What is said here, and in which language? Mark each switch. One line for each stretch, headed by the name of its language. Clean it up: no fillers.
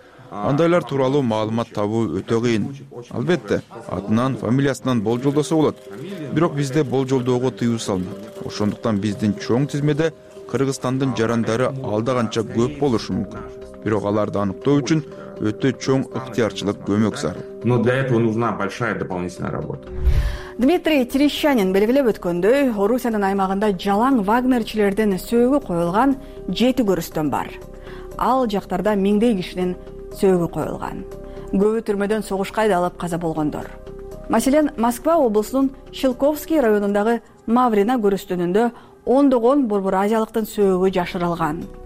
Kyrgyz: Андайлар тууралуу маалымат табуу өтө кыйын. Албетте, атынан, фамилиясынан болжолдосо болот. Бирок бизде болжолдоого тыюу салынат. Ошондуктан биздин чоң тизмеде Кыргызстандын жарандары алда канча көп болушу мүмкүн. Бирок аларды аныктоо үчүн өтө чоң ыктыярчылык көмөк зарыл.
Russian: Но для этого нужна большая дополнительная работа.
Kyrgyz: Дмитрий Терещанин белгилеп өткөндөй, Орусиянын аймагында жалаң вагнерчилердин сөөгү коюлган 7 көрүстөн бар. Ал жактарда миңдей кишинин сөөгү коюлган. Көбү түрмөдөн согушка айдалып каза болгондор. Маселен, Москва облусунун Шилковский районундагы Маврина көрүстөнүндө ондогон борбор азиялыктын сөөгү жашырылган.